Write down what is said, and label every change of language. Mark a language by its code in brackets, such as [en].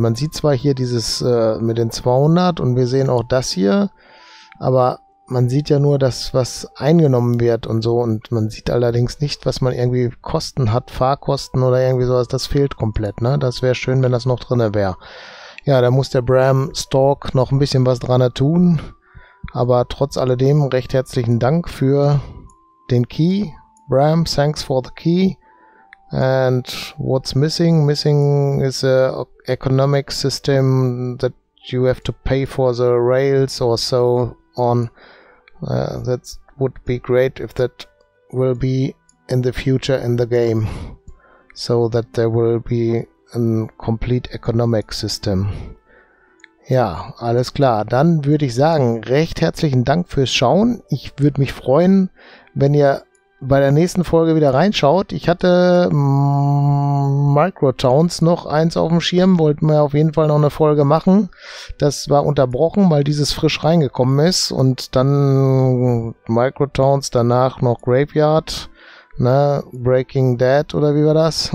[de] Man sieht zwar hier dieses mit den 200 und wir sehen auch das hier, aber man sieht ja nur das, was eingenommen wird und so und man sieht allerdings nicht, was man irgendwie Kosten hat, Fahrkosten oder irgendwie sowas, das fehlt komplett, ne? Das wäre schön, wenn das noch drinne wäre. Ja, da muss der Bram Stork noch ein bisschen was dran tun. Aber trotz alledem recht herzlichen Dank für den Key. [en] Bram, thanks for the key. And what's missing? Missing is a economic system that you have to pay for the rails or so on. That would be great if that will be in the future in the game. So that there will be a complete economic system. [de] Ja, alles klar. Dann würde ich sagen, recht herzlichen Dank fürs Schauen. Ich würde mich freuen, wenn ihr bei der nächsten Folge wieder reinschaut. Ich hatte Microtowns noch eins auf dem Schirm, wollten wir auf jeden Fall noch eine Folge machen. Das war unterbrochen, weil dieses frisch reingekommen ist. Und dann Microtowns, danach noch Graveyard, ne, Breaking Dead oder wie war das?